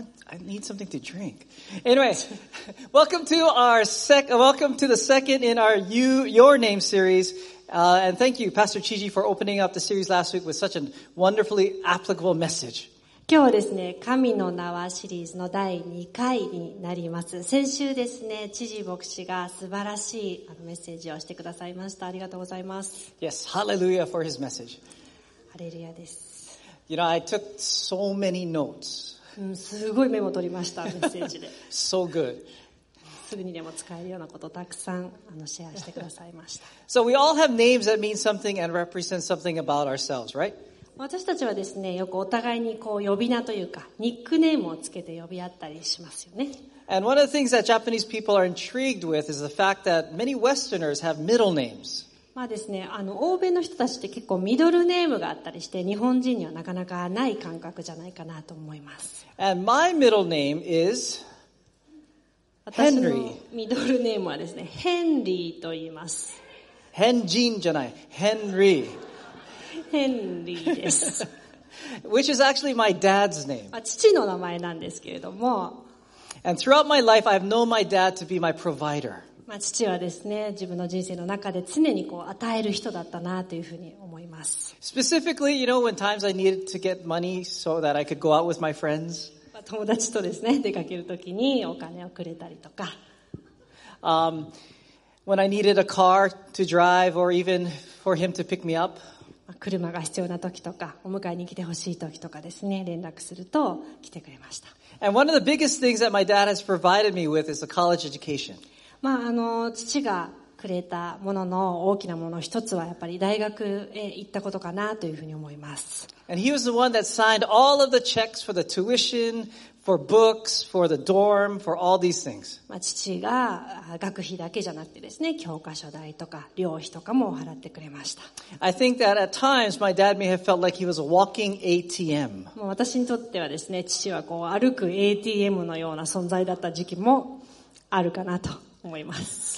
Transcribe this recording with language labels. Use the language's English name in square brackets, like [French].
[English] I need something to drink. Anyway, welcome to the second in our Your Name series. And thank you, Pastor Chiji, for opening up the series last week with such a wonderfully applicable message. [Japanese] 今日ですね、神の名はシリーズの第2回になります。先週ですね、知事牧師が素晴らしいメッセージをしてくださいました。ありがとうございます。 [English] Yes, hallelujah for his message. [Japanese] ハレルヤです。 [English] You know, I took so many notes. [Japanese] すごいメモ取りました、メッセージで。 [English] So good. [Japanese] すぐにでも使えるようなことをたくさんシェアしてくださいました。 [English] So we all have names that mean something and represent something about ourselves, right? [Japanese] 私たちはですね、よくお互いにこう呼び名というか、ニックネームをつけて呼び合ったりしますよね。 [English] And one of the things that Japanese people are intrigued with is the fact that many Westerners have middle names. [Japanese] まあですね、欧米の人たちって結構ミドルネームがあったりして、日本人にはなかなかない感覚じゃないかなと思います。 [English] And my middle name is Henry. [Japanese] 私のミドルネームはですね、ヘンリーと言います。ヘンジンじゃない、ヘンリー。 Henry です。 [English] Which is actually my dad's name. [Japanese] 父の名前なんですけれども。 [English] And throughout my life, I've known my dad to be my provider. [Japanese] 父はですね、自分の人生の中で常にこう与える人だったなというふうに思います。 [English] Specifically, you know, when times I needed to get money so that I could go out with my friends. [Japanese] 友達とですね、出かけるときにお金をくれたりとか。 [English] When I needed a car to drive or even for him to pick me up. [Japanese] 車が必要な時とか、お迎えに来てほしい時とかですね、連絡すると来てくれました。 [English] And one of the biggest things that my dad has provided me with is a college education. [Japanese] まあ、父がくれたものの大きなもの一つはやっぱり大学へ行ったことかなというふうに思います。 [English] And he was the one that signed all of the checks for the tuition, for books, for the dorm, for all these things. [Japanese] まあ、父が学費だけじゃなくてですね、教科書代とか、寮費とかも払ってくれました。 [English] I think that at times my dad may have felt like he was a walking ATM. [Japanese] もう私にとってはですね、父はこう歩く ATM のような存在だった時期もあるかなと思います。